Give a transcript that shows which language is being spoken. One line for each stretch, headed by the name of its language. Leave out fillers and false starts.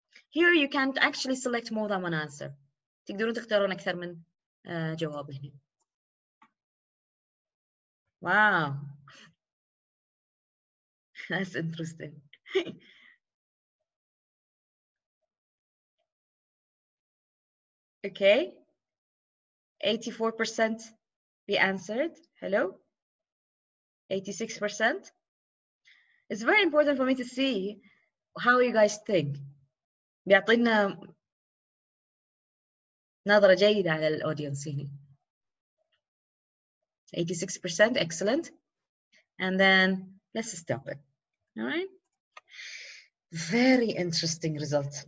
English: Here you can actually select more than one answer.
Arabic: تقدرون تختارون أكثر من جواب هنا.
English: Wow. That's interesting. Okay, 84% be answered. Hello, 86%. It's very important for me to see how you guys think.
Arabic: بيعطينا نظرة جيدة على الأودينس هنا.
English: 86%, excellent. And then let's stop it. All right. Very interesting results.